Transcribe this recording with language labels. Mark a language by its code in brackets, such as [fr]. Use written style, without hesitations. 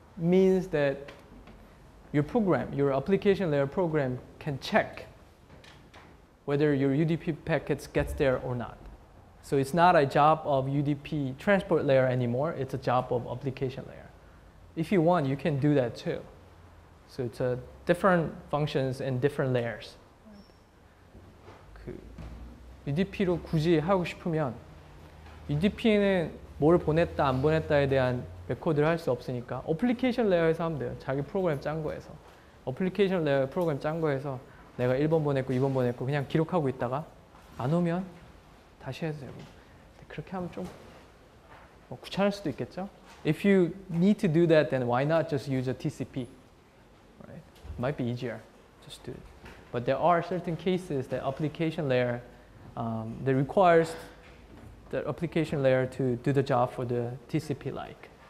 [en] Means that your program, your application layer program can check whether your UDP packets gets there or not. So it's not a job of UDP transport layer anymore, it's a job of application layer. If you want, you can do that too. So it's a different functions and different layers. [ko] 그 UDP로 굳이 하고 싶으면 UDP는 뭘 보냈다 안 보냈다에 대한 레코드를 할 수 없으니까 어플리케이션 레이어에서 하면 돼요. 자기 프로그램 짠 거에서. 어플리케이션 레이어 프로그램 짠 거에서 내가 1번 보냈고 2번 보냈고 그냥 기록하고 있다가 안 오면 다시 해도 되고. 그렇게 하면 좀 뭐 귀찮을 수도 있겠죠? [en] If you need to do that, then why not just use a TCP? Right? Might be easier, just do it. But there are certain cases that application layer, that requires the application layer to do the job for the TCP-like.